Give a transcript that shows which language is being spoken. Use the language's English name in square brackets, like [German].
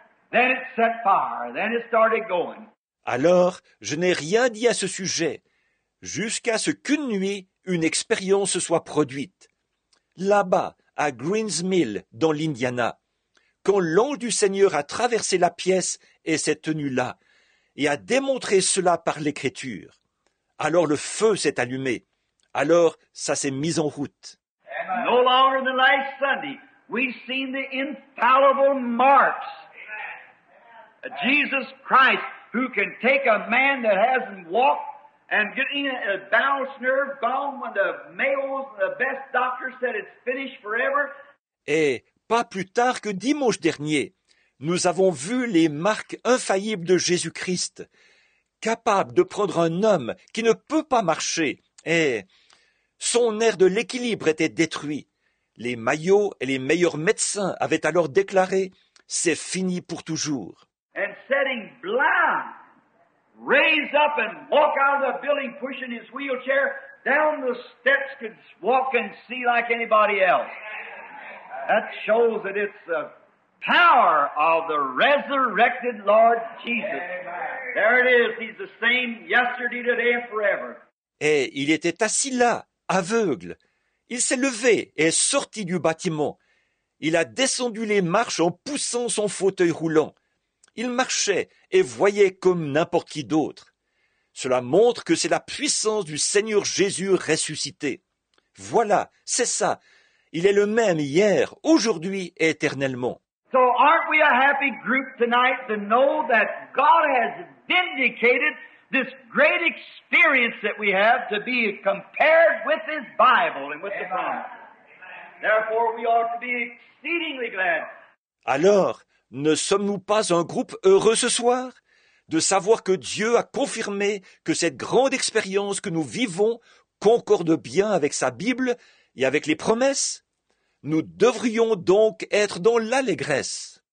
[English] Then it set fire. Then it started going. [French] Alors, je n'ai rien dit à ce sujet, jusqu'à ce qu'une nuit, une expérience soit produite. Là-bas, à Greensville, dans l'Indiana, quand l'ange du Seigneur a traversé la pièce et s'est tenu là, et a démontré cela par l'Écriture, alors le feu s'est allumé. Alors, ça s'est mis en route. [English] No longer than last Sunday, we've seen the infallible marks. Jesus Christ, who can take a man that hasn't walked and getting a balance nerve gone when the Mayo's, the best doctor said it's finished forever. [French] Et pas plus tard que dimanche dernier, nous avons vu les marques infaillibles de Jésus-Christ, capable de prendre un homme qui ne peut pas marcher et... Son nerf de l'équilibre était détruit. Les Mayo et les meilleurs médecins avaient alors déclaré « C'est fini pour toujours ». [English] And setting blind, raise up and walk out of the building pushing his wheelchair, down the steps could walk and see like anybody else. That shows that it's the power of the resurrected Lord Jesus. There it is, he's the same yesterday, today and forever. [French] Et il était assis là, aveugle. Il s'est levé et est sorti du bâtiment. Il a descendu les marches en poussant son fauteuil roulant. Il marchait et voyait comme n'importe qui d'autre. Cela montre que c'est la puissance du Seigneur Jésus ressuscité. Voilà, c'est ça. Il est le même hier, aujourd'hui et éternellement. [English] So aren't we a happy group tonight to know that God has vindicated this great experience that we have to be compared with His Bible and with the promise. Therefore, we ought to be exceedingly glad. [French] Alors, ne sommes-nous pas un groupe heureux ce soir de savoir que Dieu a confirmé que cette grande expérience que nous vivons concorde bien avec sa Bible et avec les promesses? Nous devrions donc être dans l'allégresse.